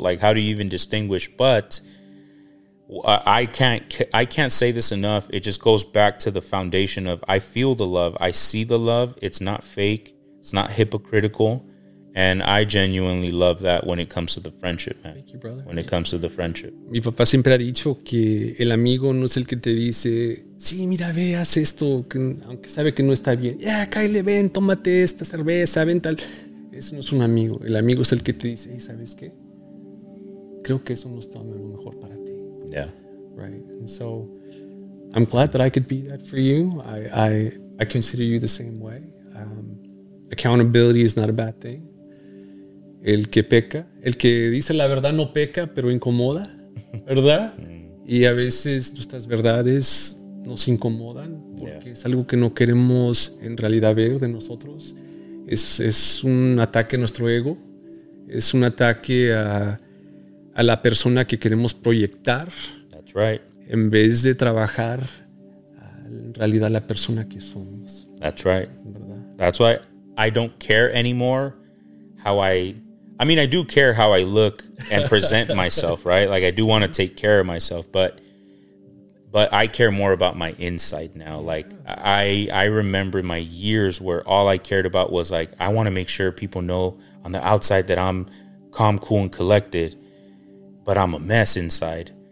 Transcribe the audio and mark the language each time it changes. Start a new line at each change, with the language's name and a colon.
English: Like, how do you even distinguish? But I can't say this enough. It just goes back to the foundation of I feel the love. I see the love. It's not fake. It's not hypocritical. And I genuinely love that when it comes to the friendship, man. Thank you, brother. When it comes to the friendship.
Spanish: Mi papá siempre ha dicho que el amigo no es el que te dice, sí, mira, ve, haz esto, aunque sabe que no está bien. Ya, yeah, cállate, ven, tómate esta cerveza, ven tal. Eso no es un amigo. El amigo es el que te dice, hey, ¿sabes qué? Creo que eso no está a lo mejor para ti.
English: Yeah. Right. And so I'm glad that I could be that for you. I consider you the same way. Accountability is not a bad thing.
Spanish: El que peca, el que dice la verdad no peca, pero incomoda, ¿verdad? Y a veces nuestras verdades nos incomodan porque es algo que no queremos en realidad ver de nosotros. Es un ataque a nuestro ego. Es un ataque a la persona que queremos proyectar.
English: That's right.
Spanish: En vez de trabajar en realidad la persona que somos.
English: That's right.
Spanish: ¿Verdad?
English: That's why I don't care anymore how I mean, I do care how I look and present myself, right? Like, I do want to take care of myself, but I care more about my inside now. Like, I remember my years where all I cared about was, like, I want to make sure people know on the outside that I'm calm, cool, and collected, but I'm a mess inside.